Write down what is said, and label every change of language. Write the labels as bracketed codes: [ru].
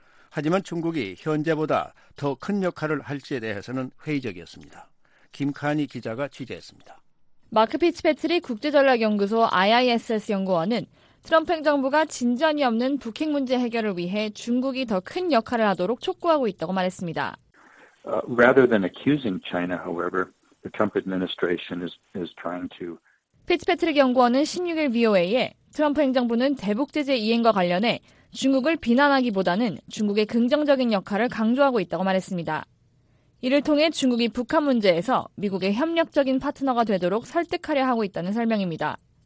[ko] 하지만 중국이 현재보다 더 큰 역할을 할지에 대해서는 회의적이었습니다. 김카니 기자가 취재했습니다. 마크 피츠패트리 국제전략연구소 IISS 연구원은 트럼프 행정부가 진전이 없는 북핵 문제 해결을 위해 중국이 더 큰 역할을 하도록 촉구하고 있다고 말했습니다. [en] Rather than accusing China, however, the Trump administration is trying to [ko] 피츠패트릭 연구원은 16일 VOA에 트럼프 행정부는 대북 제재 이행과 관련해 중국을 비난하기보다는 중국의 긍정적인 역할을 강조하고 있다고 말했습니다. 이를 통해 중국이 북한 문제에서 미국의 협력적인 파트너가 되도록 설득하려 하고 있다는 설명입니다.